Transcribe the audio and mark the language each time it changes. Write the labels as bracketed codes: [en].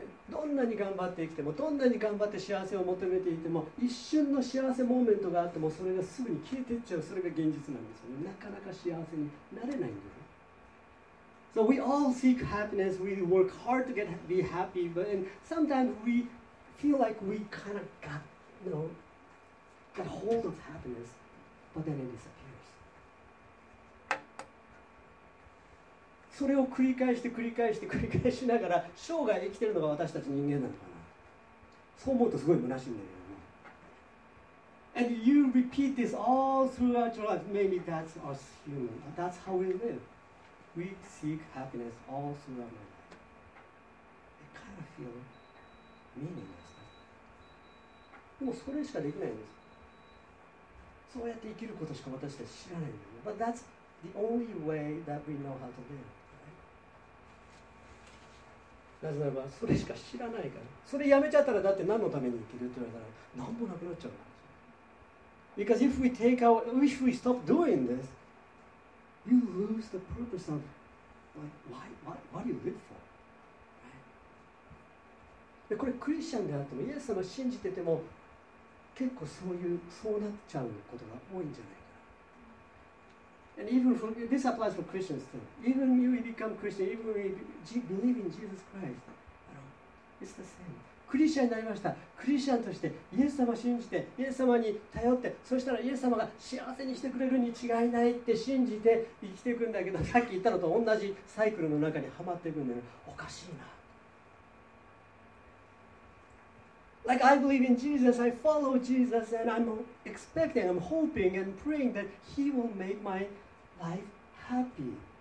[ja] どんなに頑張って生きても、どんなに頑張って幸せを求めていても、一瞬の幸せモーメントがあっても、それがすぐに消えていっちゃう。それが現実なんですよね。なかなか幸せになれないんです。 [en] So we all seek happiness. We work hard to get be happy, but and sometimes we feel like we kind of got, you know, got hold of happiness, but then it disappears. [ja] それを繰り返して繰り返して繰り返しながら生涯生きてるのが私たち人間なのかな。そう思うとすごい虚しいんだけどね。 [en] And you repeat this all throughout your life. Maybe that's us human. That's how we live. We seek happiness all throughout our life. It kind of feels meaningless. [ja] でもそれしかできないんです。そうやって生きることしか私たち知らないんだよ。 [en] But that's the only way that we know how to live. [ja] なぜならばそれしか知らないから、それやめちゃったらだって何のために生きるって言われたら何もなくなっちゃうんです [en] よ。Because if we take our, if we stop doing this, you lose the purpose of like why, what, what you live for.、 Right? [ja] これクリスチャンであってもイエス様を信じてても結構そういうそうなっちゃうことが多いんじゃないかな。 [en] And even for, this applies for Christians too. Even you become Christian, even you believe in Jesus Christ, it's the same. [ja] クリスチャンになりました。クリスチャンとしてイエス様を信じて、イエス様に頼って、そしたらイエス様が幸せにしてくれるに違いないって信じて生きていくんだけど、さっき言ったのと同じサイクルの中にはまっていくんだよ。おかしいな。 [en] Like I believe in Jesus, I follow Jesus, and I'm expecting, I'm hoping and praying that He will make my life happy.